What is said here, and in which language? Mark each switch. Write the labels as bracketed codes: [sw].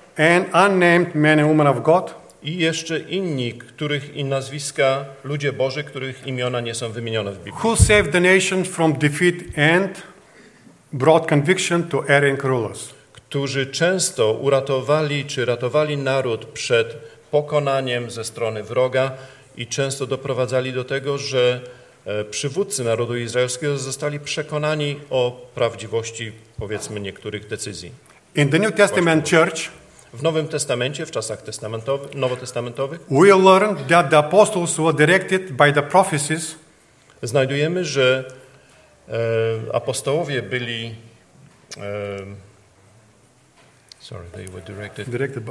[en] and unnamed men and women of God. [pl] I jeszcze inni, których i nazwiska, ludzie Boży, których imiona nie są wymienione w Biblii. [en] Who saved the nation from defeat and brought conviction to erring rulers. [pl] Którzy często uratowali, czy ratowali naród przed pokonaniem ze strony wroga i często doprowadzali do tego, że przywódcy narodu izraelskiego zostali przekonani o prawdziwości, powiedzmy, niektórych decyzji. [en] In the New Testament Church, [pl] w Nowym Testamencie, w czasach nowotestamentowych, [en] we learn that the apostles were directed by the prophecies. [pl] Znajdujemy, że apostołowie byli [en] they were directed